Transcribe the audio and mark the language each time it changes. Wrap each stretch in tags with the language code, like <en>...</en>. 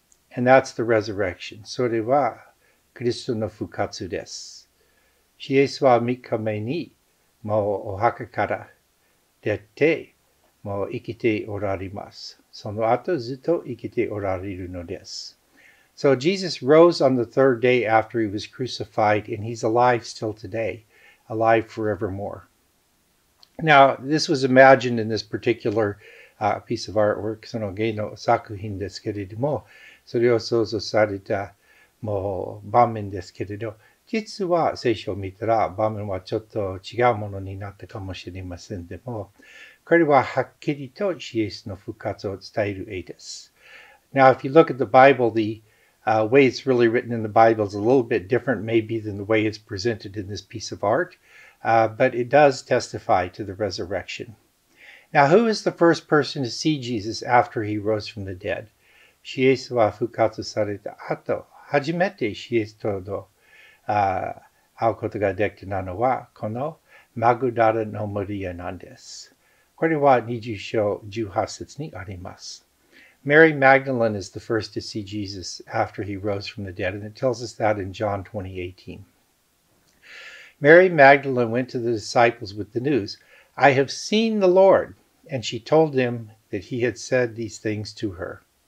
<en>And that's the resurrection.</en> <ja>それはクリストの復活です。イエスは3日目にもうお墓から出て、もう生きておられます。その後ずっと生きておられるのです。</ja> <en>So Jesus rose on the third day after he was crucified, and he's alive still today, alive forevermore. Now, this was imagined in this particular piece of artwork,</en> <ja>その芸の作品ですけれども、それを想像されたもう場面ですけれど、実は聖書を見たら場面はちょっと違うものになったかもしれませんでも、これははっきりとイエスの復活を伝える絵です。</ja> <en>Now, if you look at the Bible, the way it's really written in the Bible is a little bit different maybe than the way it's presented in this piece of art, but it does testify to the resurrection. Now, who is the first person to see Jesus after he rose from the dead?</en> <ja>イエスは復活された後、初めてイエスと会うことができたのはこのマグダラのマリアなんです。これは20章18節にあります。</ja> <en>Mary Magdalene is the first to see Jesus after he rose from the dead, and it tells us that in John 20:18. Mary Magdalene went to the disciples with the news, I have seen the Lord, and she told them that he had said these things to her.</en>